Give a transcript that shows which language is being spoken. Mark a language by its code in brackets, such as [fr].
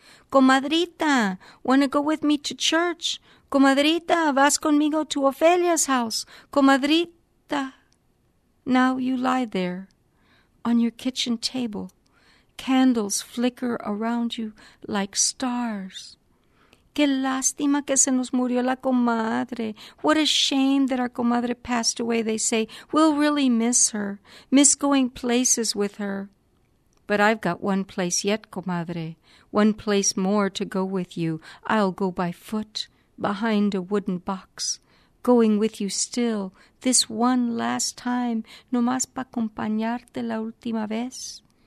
[en] Comadrita, wanna go with me to church? Comadrita, [es] vas conmigo [en] to Ofelia's house? Comadrita, now you lie there on your kitchen table. Candles flicker around you like stars. [es] Qué lástima que se nos murió la comadre. [en] What a shame that our comadre passed away, they say. We'll really miss her, miss going places with her. But I've got one place yet, comadre, one place more to go with you. I'll go by foot behind a wooden box, going with you still, this one last time, [es] nomás pa acompañarte la última vez.